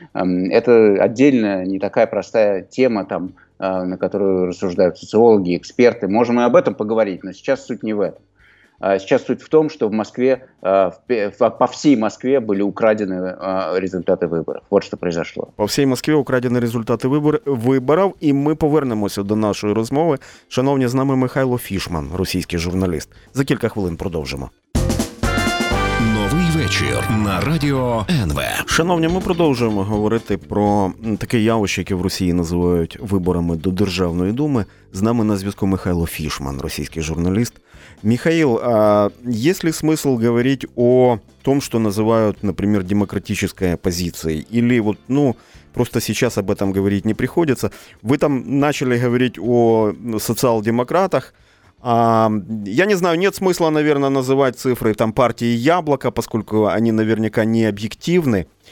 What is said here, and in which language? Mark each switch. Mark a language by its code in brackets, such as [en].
[ru] это отдельно не такая простая тема там, на которую рассуждают социологи, эксперты. Можем и об этом поговорить, но сейчас суть не в этом. Сейчас суть в том, что в Москве, по всей Москве были украдены результаты выборов. Вот что произошло. По всей Москве украдены результаты выборов, и мы [uk] повернемося до нашої розмови. Шановні, з нами Михайло Фішман, російський журналіст. За кілька хвилин продовжимо. Новий вечір. вечір на радіо НВ. Шановні, ми продовжуємо говорити про таке явище, яке в Росії називають виборами до Державної Думи. З нами на зв'язку Михайло Фішман, російський журналіст. [ru] Михаил, а есть ли смысл говорить о том, что называют, например, демократической оппозицией? Или вот, ну, просто сейчас об этом говорить не приходится. Вы там начали говорить о социал-демократах. А, я не знаю, нет смысла, наверное, называть цифры там партии «Яблоко», поскольку они наверняка не объективны.